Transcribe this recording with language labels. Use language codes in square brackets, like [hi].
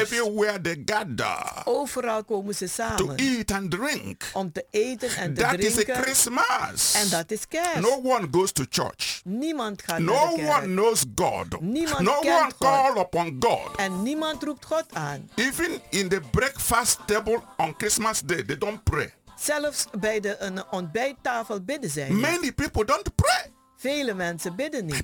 [en] Everywhere they gather. [nl] Overal komen ze samen. [en] To eat and drink. [nl] Om te eten en te [en] that [nl] drinken. [en] That is a Christmas. [nl] En dat is kerst. [en] No one goes to church. [nl] Niemand gaat [en] no [nl] naar de kerk. [en] No one knows God. [nl] Niemand [en] no [nl] kent [en] one call upon God. [nl] En niemand roept God aan. [en] Even in the breakfast table on Christmas Day, they don't pray. [nl] Zelfs bij de ontbijttafel bidden zij. [en] Many people don't pray. [nl] Vele mensen bidden niet.